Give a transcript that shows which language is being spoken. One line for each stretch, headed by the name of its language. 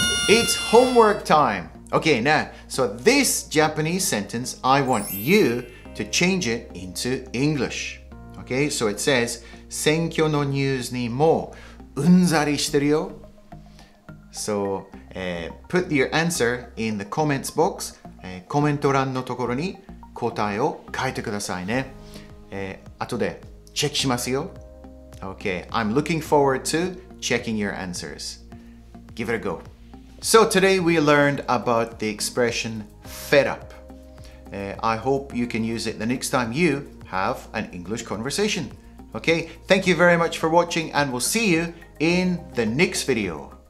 English: It's homework time. Okay, now, so this Japanese sentence, I want you to change it into English. Okay, so it says,
Japanese: 選挙のニュースにもうんざりしてるよ。
English: So, put your answer in the comments box.
Japanese: コメント欄のところに答えを書いてくださいね。後でチェックしますよ。
English: Okay, I'm looking forward to checking your answers. Give it a go. So today we learned about the expression fed up. I hope you can use it the next time you have an English conversation. Okay, thank you very much for watching and we'll see you in the next video.